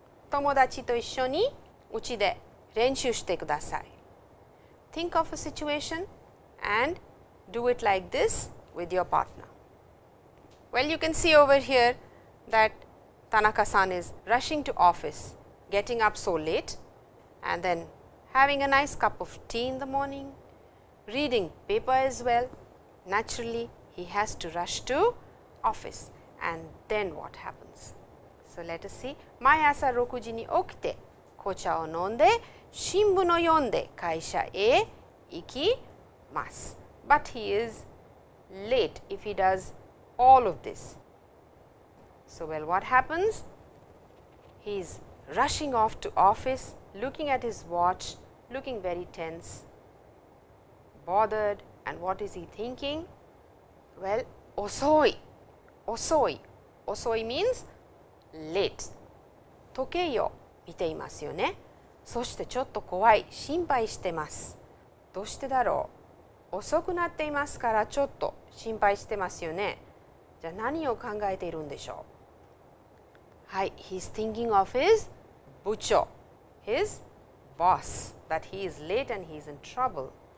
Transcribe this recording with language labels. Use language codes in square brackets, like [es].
[ja] 友達と一緒にうちで練習してください。 [en] Think of a situation and do it like this with your partner. Well, you can see over here that Tanaka-san is rushing to office, getting up so late, and then having a nice cup of tea in the morning, reading paper as well. Naturally, he has to rush to office. And then what happens? So let us see. [ja] 毎朝6時に起きて、紅茶を飲んで、新聞を読んで会社へ行きます。 [en] But he is late if he does all of this. So well, what happens? He is rushing off to office, looking at his watch, looking very tense, bothered. And what is he thinking? Well, [ja] 遅い。遅い。 [en] 遅い means late. [ja] 時計を見ていますよね。そしてちょっと怖い。心配してます。どうしてだろう。遅くなっていますからちょっと心配してますよね。じゃあ何を考えているんでしょう。 [en] はい。He's thinking of his 部長。His boss. That he is late and he is in trouble.